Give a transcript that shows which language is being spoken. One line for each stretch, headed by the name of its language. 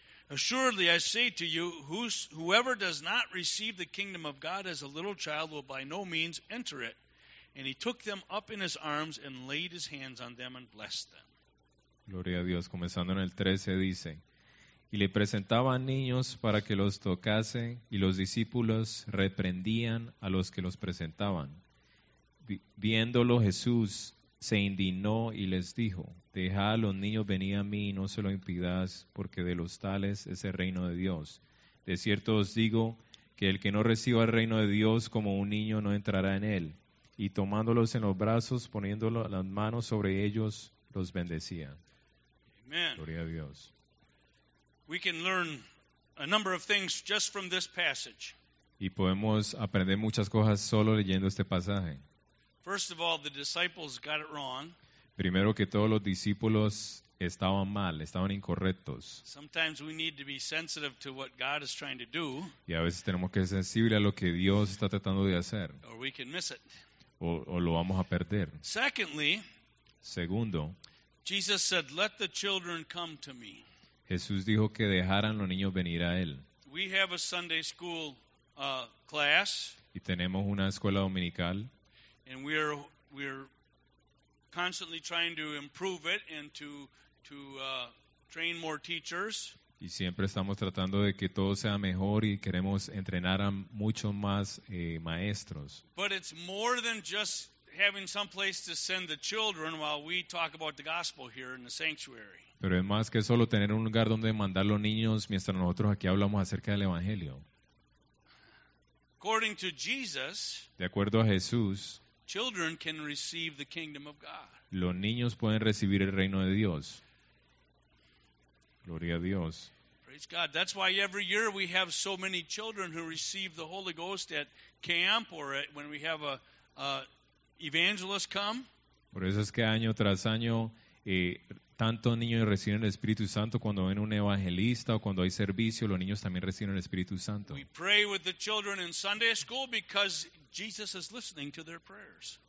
English: Assuredly, I say to you, whoever does not receive the kingdom of God as a little child will by no means enter it." And he took them up in his arms and laid his hands on them and blessed them.
Spanish: Gloria a Dios. Comenzando en el 13 dice, y le presentaban niños para que los tocase, y los discípulos reprendían a los que los presentaban. Viéndolo Jesús, se indignó y les dijo, dejad a los niños venir a mí y no se lo impidáis, porque de los tales es el reino de Dios. De cierto os digo, que el que no reciba el reino de Dios como un niño no entrará en él. Y tomándolos en los brazos, poniendo las manos sobre ellos, los bendecía. Amen. Gloria a Dios.
English: We can learn a number of things just from this passage.
Spanish: Y podemos aprender muchas cosas solo leyendo este pasaje.
English: First of all, the disciples got it wrong.
Spanish: Primero que todo, los discípulos estaban mal, estaban incorrectos.
English: Sometimes we need to be sensitive to what God is trying to do.
Spanish: Y a veces tenemos que ser sensibles a lo que Dios está tratando de hacer.
English: Or we can miss it.
Spanish: O lo vamos a perder.
English: Secondly,
Spanish: segundo,
English: Jesus said, "Let the children come to me."
Spanish: Jesús dijo que dejaran los niños venir a él.
English: We have a Sunday school class.
Spanish: Y tenemos una escuela dominical.
English: And we're constantly trying to improve it and to train more teachers.
Spanish: Y siempre estamos tratando de que todo sea mejor y queremos entrenar a muchos más maestros.
English: But it's more than just having some place to send the children while we talk about the gospel here in the sanctuary.
Spanish: Pero es más que solo tener un lugar donde mandar los niños mientras nosotros aquí hablamos acerca del evangelio.
English: According to Jesus,
Spanish: de acuerdo a Jesús,
English: children can receive the kingdom of God.
Spanish: Los niños pueden recibir el reino de Dios. Gloria a Dios.
English: Praise God. That's why every year we have so many children who receive the Holy Ghost at camp or at, when we have a evangelist come.
Spanish: Por eso es que año tras año tantos niños reciben el Espíritu Santo cuando ven un evangelista o cuando hay servicio, los niños también reciben el Espíritu Santo.
English: We pray with the children in Sunday school because Jesus is listening to their prayers.